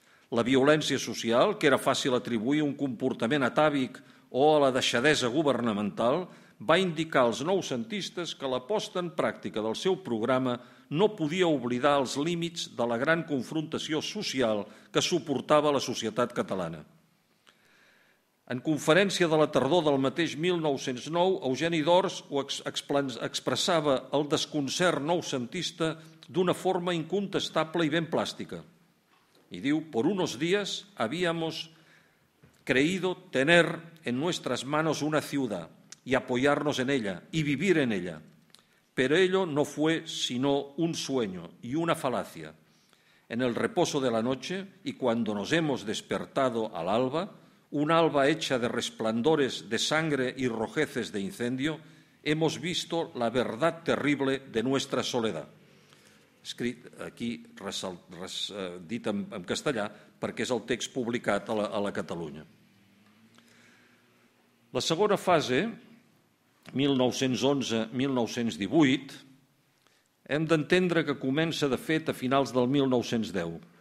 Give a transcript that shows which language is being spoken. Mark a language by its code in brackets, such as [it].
[ca] La violència social, que era fàcil atribuir un comportament atàvic o a la deixadesa governamental, va indicar als noucentistes que l'aposta en pràctica del seu programa no podia oblidar els límits de la gran confrontació social que suportava la societat catalana. En conferència de la tardor del mateix 1909, Eugeni d'Ors ho expressava el desconcert noucentista d'una forma incontestable i ben plàstica. I diu, [es] por unos días habíamos creído tener en nuestras manos una ciudad y apoyarnos en ella y vivir en ella, pero ello no fue sino un sueño y una falacia. En el reposo de la noche y cuando nos hemos despertado al alba, un alba hecha de resplandores de sangre y rojeces de incendio, hemos visto la verdad terrible de nuestra soledad. [ca] Escrit aquí, dit en castellà, perquè és el text publicat a la Catalunya. La segona fase, 1911-1918, hem d'entendre que comença, de fet, a finals del 1910.